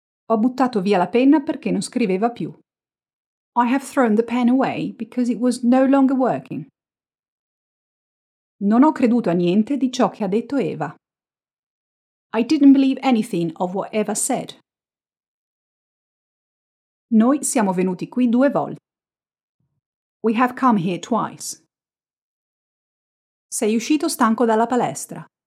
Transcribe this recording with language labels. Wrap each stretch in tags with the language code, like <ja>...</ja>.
<it>Ho buttato via la penna perché non scriveva più.</it> <en>I have thrown the pen away because it was no longer working.</en> <it>Non ho creduto a niente di ciò che ha detto Eva.</it> <en>I didn't believe anything of what Eva said.</en> <it>Noi siamo venuti qui due volte.</it> <en>We have come here twice.</en> <it>Sei uscito stanco dalla palestra.</it>